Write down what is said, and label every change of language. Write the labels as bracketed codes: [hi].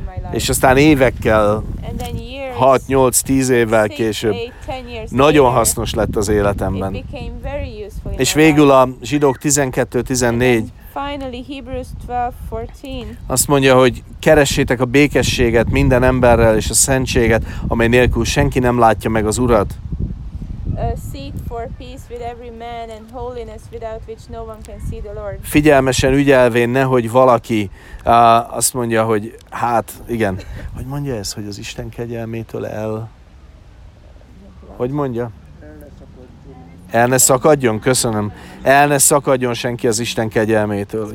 [hu] És aztán évekkel, 6-8-10 évvel később, nagyon hasznos lett az életemben. És végül a zsidók 12-14, [en] finally, Hebrews 12:14. [hu] Azt mondja, hogy keressétek a békességet minden emberrel és a szentséget, amely nélkül senki nem látja meg az Urat. [en] Seek for peace with every man and holiness without which no one can see the Lord. [hu] Figyelmesen ügyelvén, nehogy valaki azt mondja, hogy hát igen, hogy mondja ez, hogy az Isten kegyelmétől el. Hogy mondja? El ne szakadjon, köszönöm. El ne szakadjon senki az Isten kegyelmétől.